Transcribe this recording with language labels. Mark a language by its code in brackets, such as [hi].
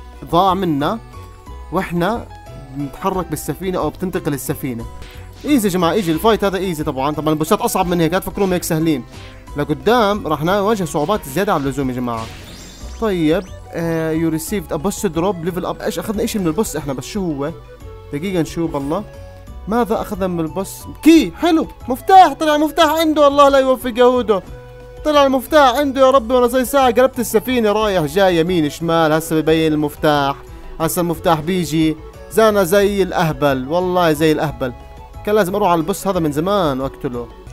[ar] ضاع منا واحنا نتحرك بالسفينة او بتنتقل السفينة ايزي يا جماعة ايزي الفايت هذا ايزي طبعا طبعا البوسات اصعب من هيك هتفكروا هيك سهلين لقدام راح نواجه صعوبات زيادة على اللزوم يا جماعة. [en] طيب you received a boss drop level up. [ar] ايش اخذنا ايش من البوس احنا بس شو هو؟ دقيقة نشوف الله ماذا اخذنا من البوس. كي حلو مفتاح طلع مفتاح عنده الله لا يوفق يهوده طلع المفتاح عنده يا ربي وانا زي ساعة قلبت السفينة رايح جاي يمين شمال هسا ببين المفتاح هسا المفتاح بيجي زانا زي الاهبل والله زي الاهبل كان لازم اروح على البوس هذا من زمان واقتله.